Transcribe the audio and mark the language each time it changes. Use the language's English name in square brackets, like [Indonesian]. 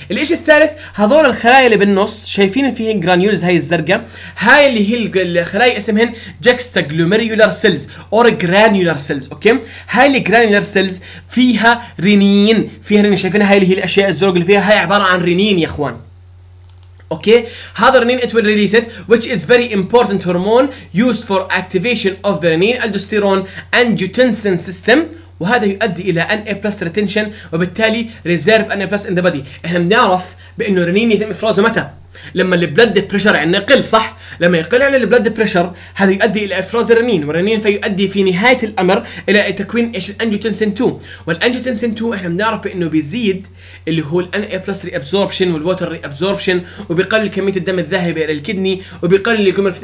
[Arabic] الشيء الثالث هذول الخلايا اللي بالنص شايفين فيه جرانيولز هاي الزرقاء، هاي اللي هي الخلايا اسمهن جكستا جلوميرولار سيلز اور جرانيولار سيلز اوكي. هاي الجرانيولار سيلز فيها رينين، فيها رينين شايفين هاي اللي هي الاشياء الزرق اللي فيها، هاي عباره عن رينين يا اخوان اوكي. هذا رنين [English] it will release it which is very important hormone used for activation of the renin aldosterone angiotensin system، [Arabic] وهذا يؤدي الى [English] NA plus retention [Arabic] وبالتالي [English] reserve NA plus in the body. [Arabic] احنا بنعرف بانه رنين يتم افرازه متى؟ لما البلد بريشر عندنا يقل صح. لما يقل عن البلد بريشر هذا يؤدي الى افراز الرنين، والرنين فيؤدي في نهايه الامر الى تكوين ايش الانجيوتنسين 2. والانجيوتنسين 2 احنا بنعرف انه بيزيد اللي هو الان اي بلس ريابسوربشن والووتر ريابسوربشن، وبيقلل كميه الدم الذاهبه الى الكدني وبيقلل الجلوميرولس.